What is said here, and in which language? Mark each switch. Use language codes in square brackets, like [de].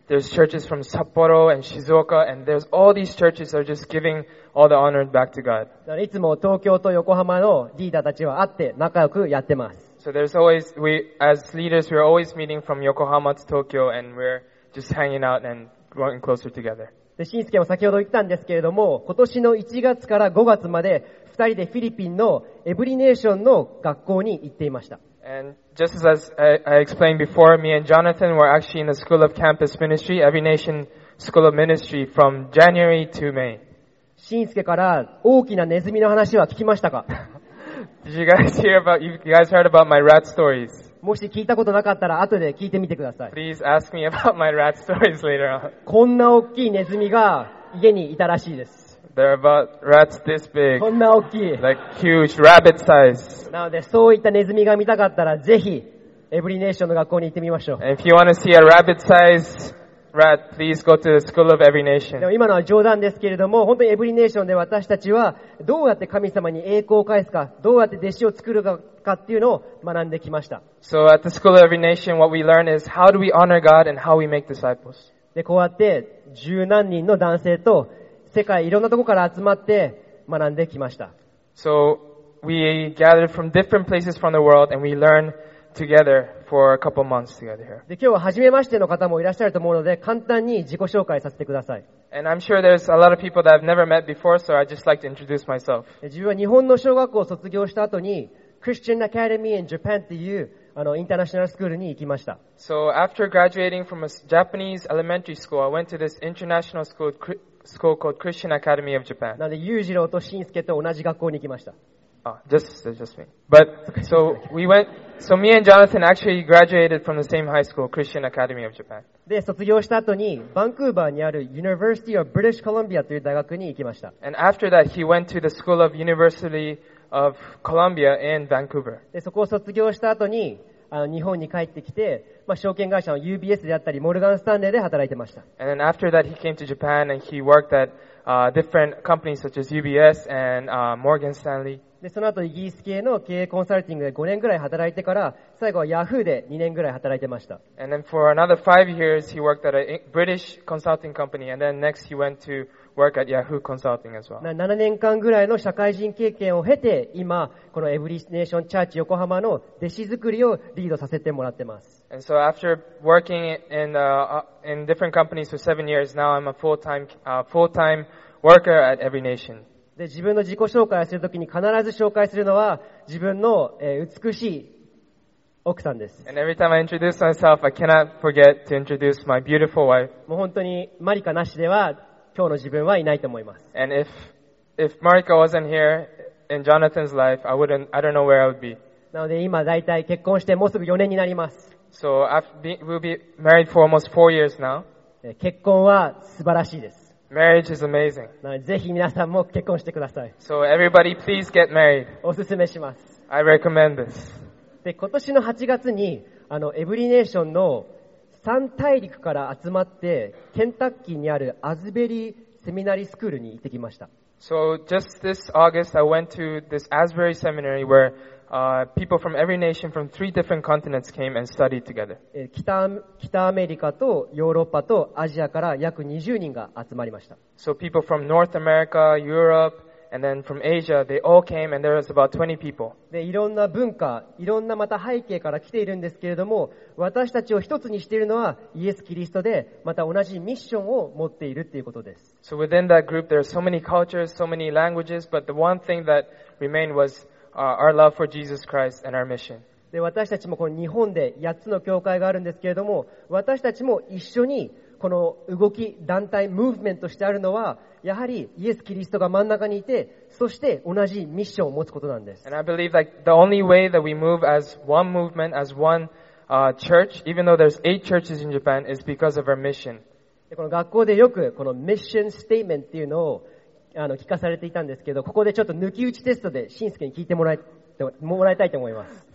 [en] There's churches from Sapporo and Shizuoka, and there's all these churches are just giving all the honor back to God. [ja] いつも東京と横浜のリーダーたちは会って仲良くやってます。 [en] So there's always we as leaders we're always meeting from Yokohama to Tokyo and we're just hanging out and growing closer together. [ja] で、しんすけも先ほど言ったんですけれども、今年の1月から5月まで二人でフィリピンのエブリネーションの学校に行っていました。 [en] And just as I explained before, me and Jonathan were actually in the School of Campus Ministry, Every Nation School of Ministry from January to May. [ja] しんすけから大きなネズミの話は聞きましたか? [en] Did you guys hear about, you guys heard about my rat stories? [ja] もし聞いたことなかったら後で聞いてみてください。 [en] Please ask me about my rat stories later on. [ja] こんな大きいネズミが家にいたらしいです。 [en] They're about rats this big. [ja] こんな大きい。 [en] Like huge rabbit size. [ja] なので、そういったネズミが見たかったら、ぜひ、エブリネーションの学校に行ってみましょう。 [en] And if you want to see a rabbit size rat, please go to the School of Every Nation. [ja] でも今のは冗談ですけれども、本当にエブリネーションで私たちは、どうやって神様に栄光を返すか、どうやって弟子を作るかっていうのを学んできました。 [en] So at the School of Every Nation, what we learn is how do we honor God and how we make disciples. [ja] で、こうやって、十何人の男性と、世界いろんなところから集まって学んできました。 [en] So, we gathered from different places from the world and we learned together for a couple months together here. [ja] で、今日は初めましての方もいらっしゃると思うので、簡単に自己紹介させてください。 [en] And I'm sure there's a lot of people that I've never met before, so I'd just like to introduce myself. [ja] 自分は日本の小学校を卒業した後に、Christian Academy in Japan っていう、インターナショナルスクールに行きました。 [en] So, after graduating from a Japanese elementary school, I went to this international school, school called Christian Academy of Japan. [ja] なので、ユージローとシンスケと同じ学校に行きました。 [en] あ、just me. But, so, we went, so me and Jonathan actually graduated from the same high school, Christian Academy of Japan. [ja] で、卒業した後に、バンクーバーにある University of British Columbia という大学に行きました。 [en] And after that, he went to the School of University of Columbia in Vancouver. [ja] で、そこを卒業した後に、日本に帰ってきて、まあ、証券会社の UBS であったりモルガンスタンレーで働いてました。 [en] And then after that he came to Japan and he worked at different companies such as UBS and Morgan Stanley. [ja] で、その後イギリス系の経営コンサルティングで5年ぐらい働いてから、最後は Yahoo で2年ぐらい働いてました。 [en] And then for another 5 years he worked at a British consulting company and then next he went to work at Yahoo Consulting as well. [ja] 7年間ぐらいの社会人経験を経て、今このエブリネーションチャーチ横浜の弟子作りをリードさせてもらってます。 [en] And so after working in different companies for 7 years, now I'm a full-time worker at Every Nation. [ja] で、自分の自己紹介をするときに必ず紹介するのは自分の美しい奥さんです。 [en] And every time I introduce myself, I cannot forget to introduce my beautiful wife. [ja] もう本当にマリカなしでは今日の自分はいないと思います。 [en] And if Marika wasn't here in Jonathan's life, I don't know where I would be. [ja] なので今だいたい結婚してもうすぐ4年になります。 [en] So we'll be married for almost 4 years now. [ja] 結婚は素晴らしいです。 [en] Marriage is amazing. [ja] なのでぜひ皆さんも結婚してください。 [en] So everybody please get married. [ja] おすすめします。 [en] I recommend this. [ja] で、今年の8月にエブリネーションの三大陸から集まってケンタッキーにあるアズベリーセミナリースクールに行ってきました。 [en] So just this August I went to this Asbury Seminary where people from every nation from three different continents came and studied together. [ja] 北アメリカとヨーロッパとアジアから約20人が集まりました。 [en] So people from North America, Europe, and then from Asia, they all came and there was about 20 people. [ja] で、いろんな文化、いろんなまた背景から来ているんですけれども、私たちを一つにしているのはイエス・キリストで、また同じミッションを持っているということです。 [en] So within that group, there are so many cultures, so many languages, but the one thing that remained was our love for Jesus Christ and our mission. [ja] で、私たちもこの日本で8つの教会があるんですけれども、私たちも一緒にこの動き、団体、ムーブメントしてあるのは、やはりイエス・キリストが真ん中にいて、そして同じミッションを持つことなんです。 [en] And I believe that the only way that we move as one movement, as one church, even though there's 8 churches in Japan, is because of our mission. [ja] で、この学校でよくこのミッションステイメントっていうのを聞かされていたんですけど、ここでちょっと抜き打ちテストでしんすけに聞いてもらいたいと思います。